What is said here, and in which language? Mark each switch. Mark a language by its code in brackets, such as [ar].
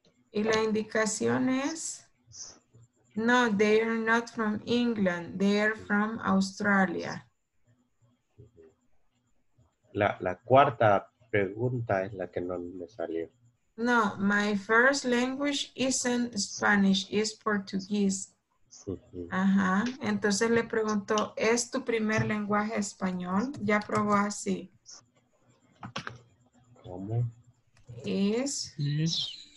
[es] Y la indicación es, [en] no, they are not from England. They are from Australia. [es] La cuarta pregunta es la que no me salió. [en] No, my first language isn't Spanish, it's Portuguese. [es] Ajá, entonces le preguntó, ¿es tu primer lenguaje español? Ya probó así. ¿Cómo? [en] Is. Yes.